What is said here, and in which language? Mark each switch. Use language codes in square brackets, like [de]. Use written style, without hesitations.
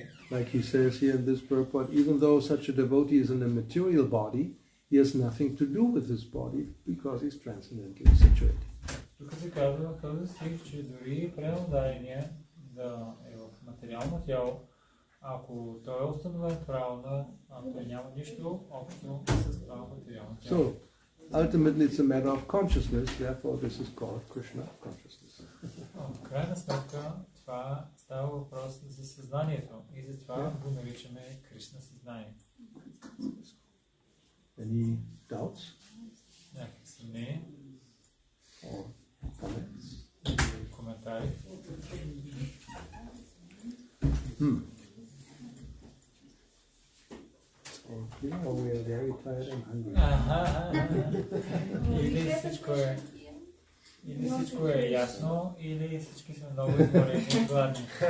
[en] Like he says here in this purport, even though such a devotee is in a material body, he has nothing to do with his body because he's transcendentally situated. [bg] Тук се казва в този стих, че дори преондайния да е в материално тяло, ако той е установен правилно, той няма нищо общо с това материално тяло. [en] So, ultimately it's a matter of consciousness, therefore this is called Krishna consciousness. [bg] Крайна сметка, това става въпрос за съзнанието и затова го наричаме Кришна съзнание. [en] Any doubts? [bg] Някакви съмнения? [en] Or comments? [bg] Коментари? [en] Okay, or we are very tired and hungry. [bg] Ага, ага, ага. И всичко е. Или всичко е ясно, или всички сме много изморени и гладни.